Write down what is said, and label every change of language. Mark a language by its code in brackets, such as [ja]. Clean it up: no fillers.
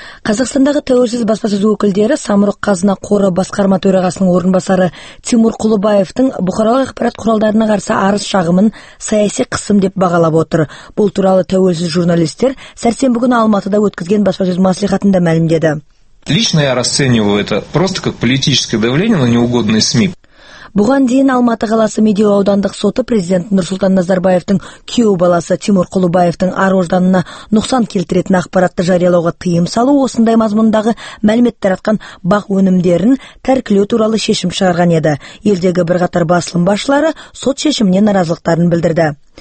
[kk] Қазақстандағы тәуелсіз баспасөз өкілдері Самұрық қазына қоры басқарма төрағасының орынбасары Тимур Құлыбаевтың бұқаралық ақпарат құралдарына қарсы арыз шағымын саяси қысым деп бағалап отыр. Бұл туралы тәуелсіз журналистер сәрсенбі күні Алматыда өткізген баспасөз мәслихатында мәлімдеді. [ru] Лично я расцениваю это просто как политическое давление на неугодные СМИ. [kk] Бұған дейін Алматы қаласы Медеу аудандық соты президент Нұрсұлтан Назарбаевтың күйеу баласы Тимур Құлыбаевтың ар ожданына нұқсан келтіретін ақпаратты жариялауға тыйым салу осындай мазмұндағы мәлімет таратқан бақ өнімдерін тәркілеу туралы шешім шығарған еді. Елдегі бірқатар басылым басшылары сот шешіміне наразылықтарын білдірді.